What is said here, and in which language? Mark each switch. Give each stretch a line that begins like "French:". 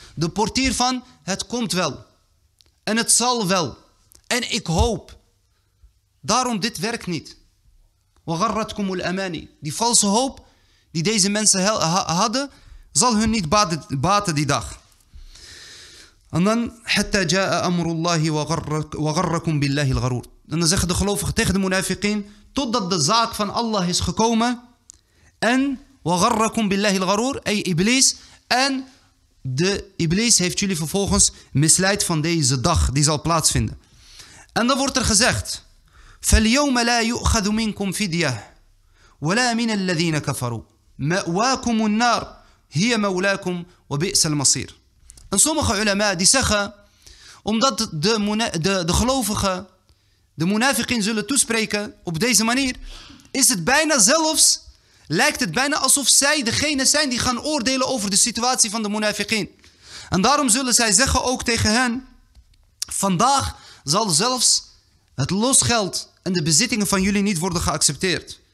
Dutch: De portier van het komt wel. En het zal wel. En ik hoop. Daarom dit werkt niet.
Arabic: وَغَرَّتْكُمُ الْأَمَانِي.
Dutch: Die valse hoop die deze mensen hadden, zal hun niet baten die dag.
Arabic: En dan, حَتَّى جَاءَ أَمْرُ اللَّهِ وَغَرَّكُمْ بِاللَّهِ الْغَرُورِ.
Dutch: En dan zeggen de gelovigen tegen de munafiqin, totdat de zaak van Allah is gekomen, en
Arabic: وَغَرَّكُمْ بِاللَّهِ الْغَرُورِ,
Dutch: ey iblis, en de iblis heeft jullie vervolgens misleid van deze dag, die zal plaatsvinden.
Arabic: En dan wordt er gezegd, فَالْيَوْمَ لَا يُؤْخَذُ مِنْكُمْ فِدْيَةِ وَلَا مِنَ الَّذِينَ كَفَرُوا مَأْوَاكُمُ النَّارِ هِيَ مَوْلَاكُمْ وَبِئْسَ الْمَصِيرِ.
Dutch: En sommige ulema die zeggen, omdat de gelovigen de munafiqin zullen toespreken op deze manier, is het bijna zelfs, lijkt het bijna alsof zij degene zijn die gaan oordelen over de situatie van de munafiqin. En daarom zullen zij zeggen ook tegen hen, vandaag zal zelfs het losgeld en de bezittingen van jullie niet worden geaccepteerd.